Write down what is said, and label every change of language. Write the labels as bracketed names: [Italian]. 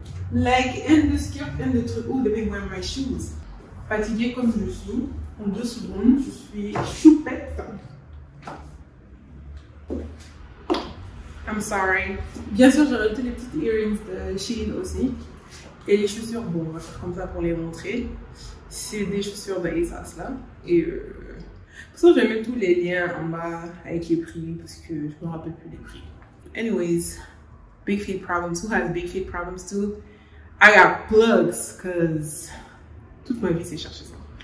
[English] Like, and the skirt, and the truc, oh, the big wear my shoes. [French] Fatiguée comme je suis, en 2 secondes, je suis choupette. [English] I'm sorry. [French] Bien sûr, j'ai rajouté les petites earrings de Shein aussi. Et les chaussures, bon, on va faire comme ça pour les montrer. C'est des chaussures d'ASOS là. Et pour ça, je vais mettre tous les liens en bas avec les prix, parce que je ne me rappelle plus les prix. [English] Anyways, big feet problems. Who has big feet problems too? I got plugs, cause [French] toute ma vie c'est chercher ça.